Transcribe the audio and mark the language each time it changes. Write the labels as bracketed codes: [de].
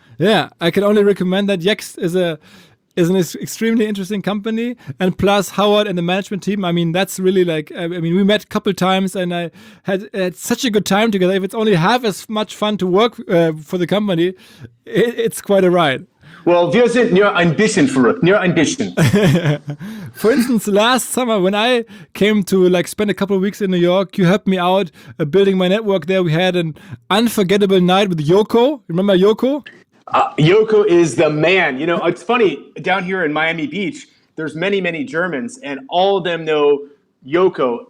[en] Yeah, I can only recommend that. Yext is an extremely interesting company. And plus Howard and the management team, I mean, that's really like, I mean, we met a couple times and I had such a good time together. If it's only half as much fun to work for the company, it's quite a ride. [de] Well, wir sind nur ein bisschen verrückt, nur ein bisschen. [en] For instance, last summer when I came to like spend a couple of weeks in New York, you helped me out building my network there. We had an unforgettable night with Yoko. Remember Yoko? Yoko is the man. You know, it's funny, down here in Miami Beach, there's many, many Germans, and all of them know Yoko.